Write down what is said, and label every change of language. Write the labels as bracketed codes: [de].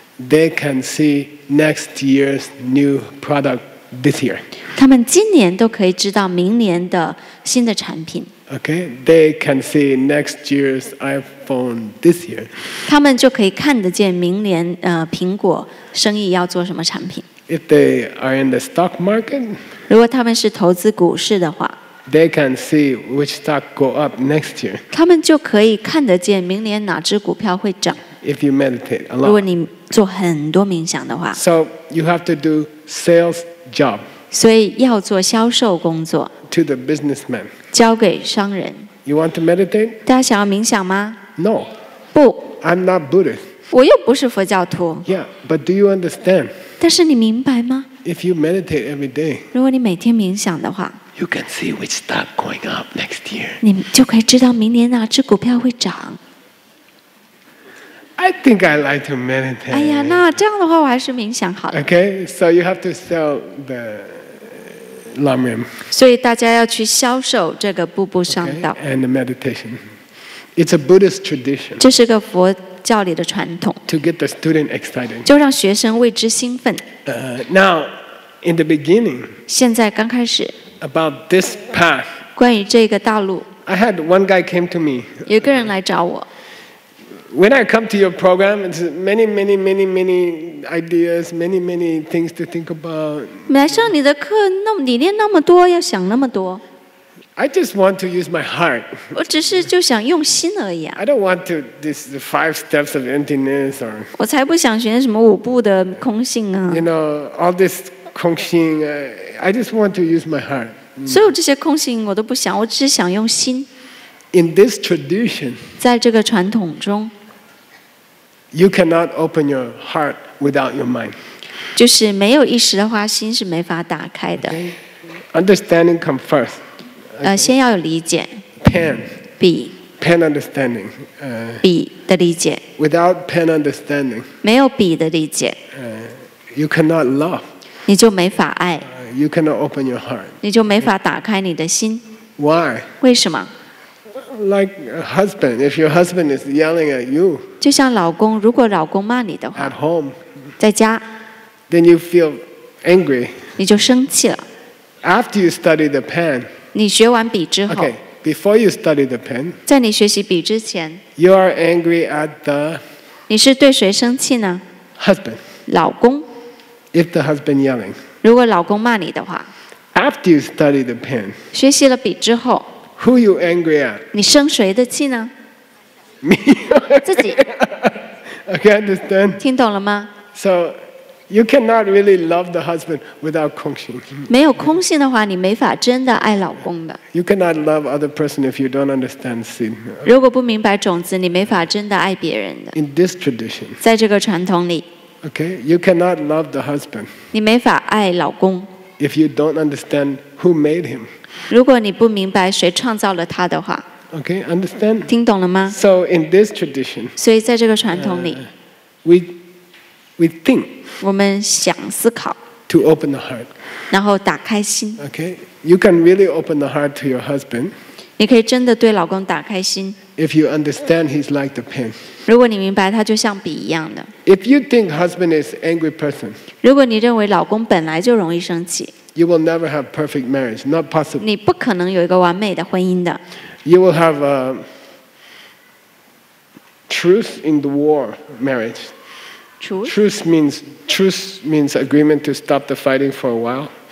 [en] they can see next year's new product this year [zh] 他们今年都可以知道明年的新的产品 [en] okay they can see next year's iPhone this year [zh] 他们就可以看得见明年 苹果生意要做什么产品 [en] if they are in the stock market [zh] 如果他们是投资股市的话 [en] They can see which stock go up next year. [zh] 他们就可以看得见明年哪只股票会涨。 [en] If you meditate a lot. [zh] 如果你做很多冥想的话。 [en] So you have to do sales job. [zh] 所以要做销售工作。 [en] To the businessman. [zh] 交给商人。 [en] You want to meditate? [zh] 大家想要冥想吗? [en] No. [zh] 不。 [en] I'm not Buddhist. [zh] 我又不是佛教徒。 [en] Yeah, but do you understand? [zh] 但是你明白吗? [en] If you meditate every day. [zh] 如果你每天冥想的话。 [en] You can see which stock going up next year. [zh] 你就可以知道明年哪只股票会涨。 [en] think I like to meditate. [zh] 哎呀，那这样的话，我还是冥想好了。 [en] Okay, so you have to sell the Lam Rim. [zh] 所以大家要去销售这个步步上道。 [en] Okay, and the meditation. It's a Buddhist tradition. [zh] 这是个佛教里的传统。 [en] To get the student excited. [zh] 就让学生为之兴奋。 [en] Now, in the beginning. [zh] 现在刚开始。 [en] About this path. [zh] 关于这个道路。 [en] I had one guy came to me. [zh] 有个人来找我。 [en] When I come to your program, it's many, many, many, many ideas, many, many things to think about. [zh] 来上你的课，那么理念那么多，要想那么多。 [en] I just want to use my heart. [zh] 我只是就想用心而已啊。 [en] I don't want to this the five steps of emptiness or. [zh] 我才不想学什么五步的空性啊。 [en] You know all this 空性, I just want to use my heart. [zh] 所有这些空性我都不想，我只想用心。 [en] In this tradition, [zh] 在这个传统中 [en] you cannot open your heart without your mind. [zh] 就是没有意识的话，心是没法打开的。 [en] Okay. Understanding comes first. [zh] Okay. 先要有理解。 [en] Pen. [zh] 笔。 [en] Pen understanding. [zh] 笔的理解。 [en] Without pen understanding, [zh] 没有笔的理解。 [en] You cannot love. [zh] 你就没法爱。 [en] You cannot open your heart. [zh] 你就没法打开你的心。 [en] Why? [zh] 为什么？ [en] Like a husband, if your husband is yelling at you, [zh] 就像老公，如果老公骂你的话 [en] ，at home, [zh] 在家 [en] ，then you feel angry, [zh] 你就生气了。 [en] After you study the pen, [zh] 你学完笔之后 [en] ，okay, before you study the pen, [zh] 在你学习笔之前 [en] ，you are angry at the, [zh] 你是对谁生气呢 [en] ？Husband, [zh] 老公。 [en] If the husband yelling, [zh] 如果老公骂你的话 [en] ，after you study the pen, [zh] 学习了笔之后。 [en] Who you angry at? [zh] 你生谁的气呢？ [en] Me. [zh] 自己。 [en] Okay, understand. [zh] 听懂了吗？ [en] So, you cannot really love the husband without 空心。 [zh] 没有空心的话，你没法真的爱老公的。 [en] You cannot love other person if you don't understand seed. [zh] 如果不明白种子，你没法真的爱别人的。 [en] In this tradition. [zh] 在这个传统里。 [en] Okay, you cannot love the husband. [zh] 你没法爱老公。 [en] If you don't understand who made him. [zh] 如果你不明白谁创造了他的话。 [en] Okay, understand? [zh] 听懂了吗？ [en] So in this tradition. [zh] 所以在这个传统里。 [en] We think. [zh] 我们想思考。 [en] To open the heart. [zh] 然后打开心。 [en] Okay, you can really open the heart to your husband. [zh] 你可以真的对老公打开心。 [en] If you understand he's like the pen. [zh] 如果你明白他就像笔一样的。 [en] If you think husband is angry person. [zh] 如果你认为老公本来就容易生气。 [en] You will never have perfect marriage, not possible. [zh] 你不可能有一个完美的婚姻的。 [en] You will have a truce in the war marriage. Truce? Truce means agreement to stop the fighting for a while.